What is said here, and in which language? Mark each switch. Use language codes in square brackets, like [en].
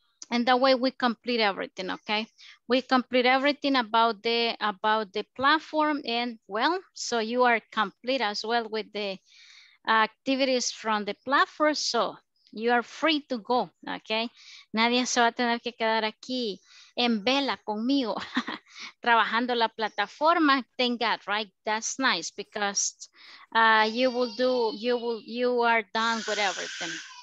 [en] And that way we complete everything, okay? We complete everything about the platform and, well, so you are complete as well with the activities from the platform, so you are free to go, okay? [es] Nadie se va a tener que quedar aquí en vela conmigo, trabajando la plataforma, [en] thank God, right? That's nice because you will do, you are done with everything.